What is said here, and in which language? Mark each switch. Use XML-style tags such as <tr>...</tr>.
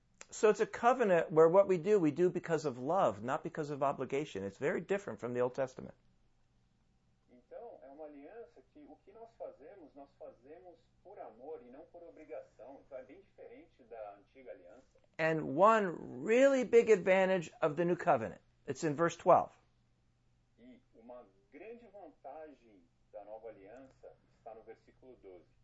<en>So it's a covenant where what we do because of love, not because of obligation. It's very different from the Old Testament.</en> <pt>Então, é uma aliança que o que nós fazemos por amor e não por obrigação. Então, é bem diferente da antiga aliança.</pt> <en>And one really big advantage of the new covenant. It's in verse 12.</en> <pt>E uma grande vantagem da nova aliança está no versículo 12.</pt>